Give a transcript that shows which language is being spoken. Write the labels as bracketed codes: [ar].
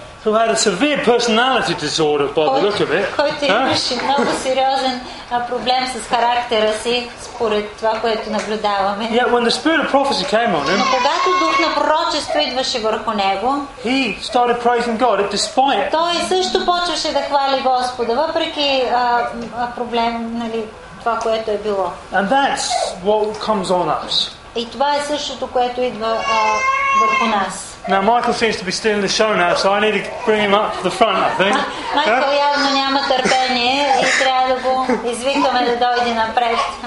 [en] who had a severe personality disorder, by the look of it. [bg] Който имаше много сериозен проблем с характера си, според това, което наблюдаваме. [en] Yet when the spirit of prophecy came on him, [bg] но когато дух на пророчество идваше върху него, [en] he started praising God, despite. [bg] Той също почваше да хвали Господа, въпреки проблем, нали, това, което е било. [en] And that's what comes on us. [bg] И това е същото, което идва върху нас. [en] Now Michael seems to be still in the show now, so I need to bring him up to the front, I think. [bg] Michael явно няма търпение и трябва да го извикаме да дойде напред.